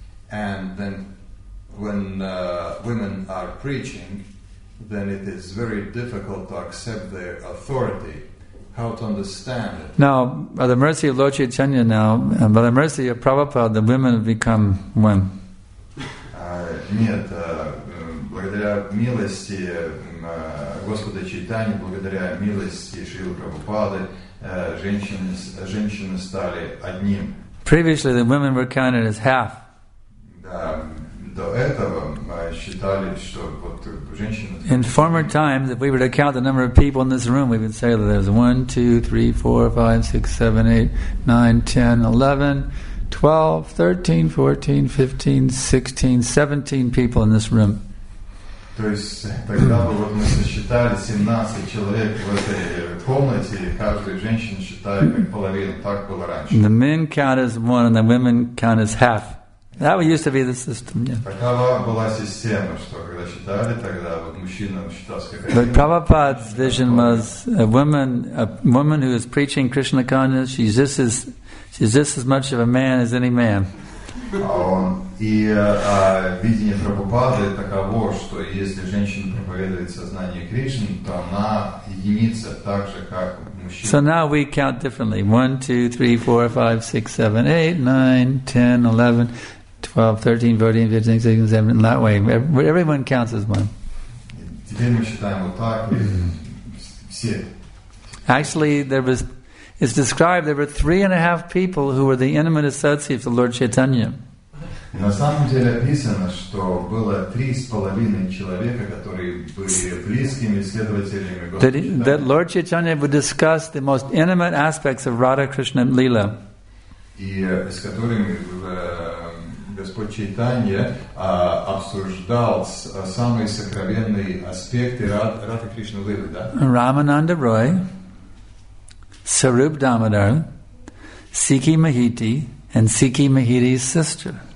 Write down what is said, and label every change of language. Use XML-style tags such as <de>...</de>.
<en>And then when women are preaching, then it is very difficult to accept their authority. How to understand it. Now, by the mercy of Lord Chaitanya now, and by the mercy of Prabhupada, the women have become one.</en> <ru>Нет, благодаря милости Господа Чайтаньи, благодаря милости Шрилы Прабхупады, женщины стали одним.</ru> <en>Previously, the women were counted as half.</en> <ru>Да, до этого считали, что вот женщины...</ru> <en>In former times, if we were to count the number of people in this room, we would say that there's 1, 2, 3, 4, 5, 6, 7, 8, 9, 10, 11... 12, 13, 14, 15, 16, 17 people in this room.</en> <ru>То есть тогда бы вот мы сосчитали 17 человек в этой комнате, и каждую женщину считали как половину, так было раньше.</ru> <en>The men count as one and the women count as half. That used to be the system, yeah.</en> <ru>Такова была система, что когда считали, тогда вот мужчинам считалось как половина.</ru> <en>But Prabhupada's vision was a woman who is preaching Krishna consciousness, she's just as much of a man as any man.</en> <ru>Видение Прабхупады таково, что если женщина проповедует сознание Кришны, то она единица так же, как мужчина.</ru> <en>So now we count differently. 1, 2, 3, 4, 5, 6, 7, 8, 9, 10, 11, 12, 13, 14, 15, 16, 17, that way. Everyone counts as one.</en> <ru>Теперь мы считаем вот так, все.</ru> <en>Actually, it's described there were 3.5 people who were the intimate associates of Lord Chaitanya.</en> <ru>На самом деле описано, что было 3.5 человека, которые были близкими следователями Господа Чайтаньи.</ru> <en>That Lord Chaitanya would discuss the most intimate aspects of Radha Krishna Lila.</en> <ru>И с которыми Господь Чайтанья обсуждал самые сокровенные аспекты Радха Кришна Лилы, да?</ru> <en>Рамананда Рой, Sarup Damodar, Sikhi Mahiti, and Sikhi Mahiti's sister.</en>